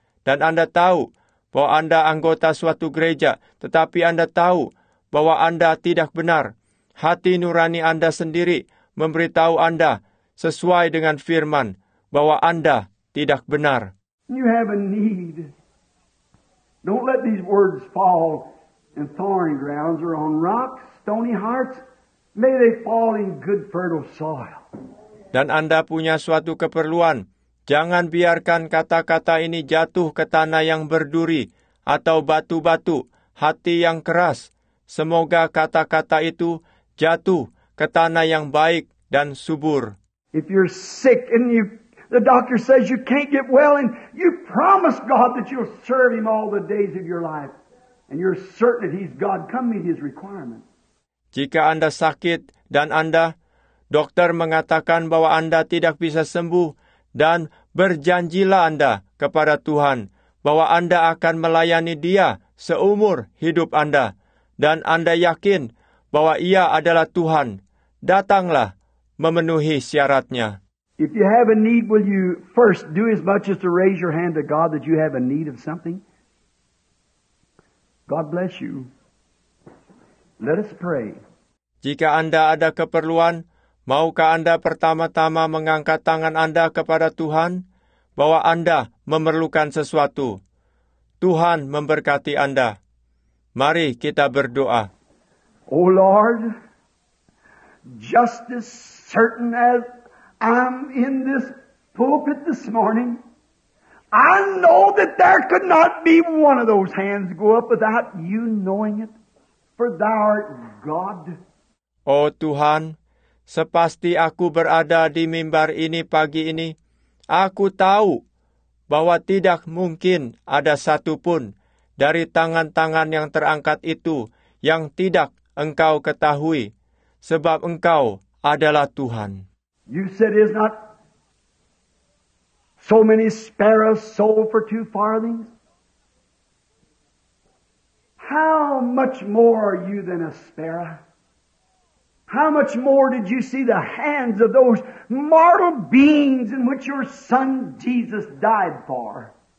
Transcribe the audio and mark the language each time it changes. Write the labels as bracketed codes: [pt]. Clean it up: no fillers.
[id] Dan Anda tahu bahwa Anda anggota suatu gereja, tetapi Anda tahu bahwa Anda tidak benar. Hati nurani Anda sendiri memberitahu Anda sesuai dengan firman bahwa Anda tidak benar. [en] You have a need. Don't let these words fall in thorny grounds or on rocks, stony hearts. May they fall in good fertile soil. [id] Dan Anda punya suatu keperluan. Jangan biarkan kata-kata ini jatuh ke tanah yang berduri atau batu-batu, hati yang keras. Semoga kata-kata itu jatuh ke tanah yang baik dan subur. [en] If you're sick and you, the doctor says you can't get well, and you promise God that you'll serve Him all the days of your life, and you're certain that He's God, come meet His requirement. [id] Jika Anda sakit dan Anda, dokter mengatakan bahwa Anda tidak bisa sembuh, dan berjanjilah Anda kepada Tuhan bahwa Anda akan melayani Dia seumur hidup Anda. Dan Anda yakin bahwa Ia adalah Tuhan. Datanglah memenuhi syaratnya. [en] If you have a need, will you first do as much as to raise your hand to God that you have a need of something? God bless you. Let us pray. [id] Jika Anda ada keperluan, maukah Anda pertama-tama mengangkat tangan Anda kepada Tuhan bahwa Anda memerlukan sesuatu? Tuhan memberkati Anda. Mari kita berdoa. [en] O Lord, just as certain as I'm in this pulpit this morning, I know that there could not be one of those hands go up without You knowing it, for Thou art God. [id] O Tuhan, sepasti aku berada di mimbar ini pagi ini, aku tahu bahwa tidak mungkin ada satupun dari tangan-tangan yang terangkat itu yang tidak Engkau ketahui, sebab Engkau adalah Tuhan. [en] You said is not so many sparrows sold for 2 farthings? How much more are You than a sparrow? How much more did You see the hands of those mortal beings in which Your Son Jesus died for?